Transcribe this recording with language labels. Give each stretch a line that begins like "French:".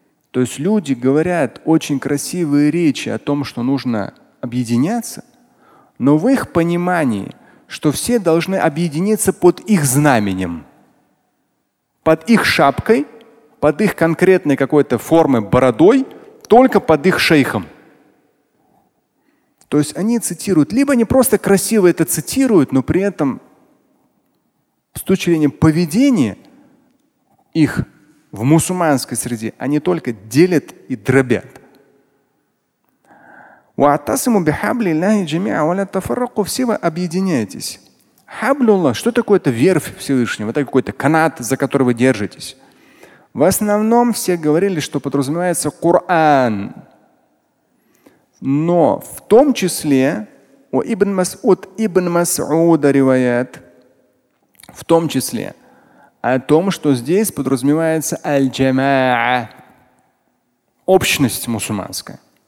Russian: То есть люди говорят очень красивые речи о том, что нужно объединяться, но в их понимании, что все должны объединиться под их знаменем, под их шапкой, под их конкретной какой-то формы бородой, только под их шейхом. То есть они цитируют, либо они просто красиво это цитируют, но при этом с точки зрения поведения их в мусульманской среде они только делят и дробят.
Arabic: وَعَتَّصِمُ بِحَبْلِ اللَّهِ جَمِيعًا وَلَا تَفَرَّقُوا
Russian: Все вы объединяетесь. Хаблюллах, что такое это верфь Всевышнего? Это какой-то канат, за который вы держитесь. В основном все говорили, что подразумевается Коран. Но в том числе у Ибн Мас'уд, Ибн Мас'уда ривает, в том числе о том, что здесь подразумевается аль-джама'а, общность мусульманская.